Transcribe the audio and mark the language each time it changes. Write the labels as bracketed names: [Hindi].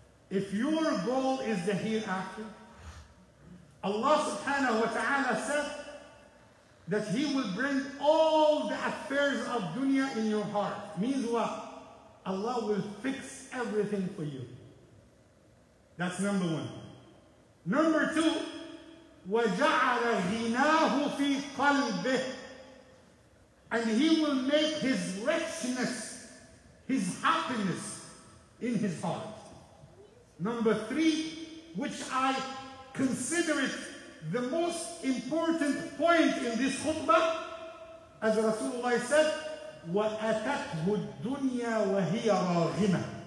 [English] If your goal is the hereafter, Allah subhanahu wa ta'ala said that he will bring all the affairs of dunya in your heart. Means what? Allah will fix everything for you. That's number one. Number two, [Arabic] وَجَعَلَ غِنَاهُ فِي قَلْبِهِ. [English] And he will make his richness, his happiness in his heart. Number three, which I consider it the most important point in this khutbah, as Rasulullah said, [Arabic] وَأَتَتْهُ الدُّنْيَا وَهِيَ رَاغِمَةٌ.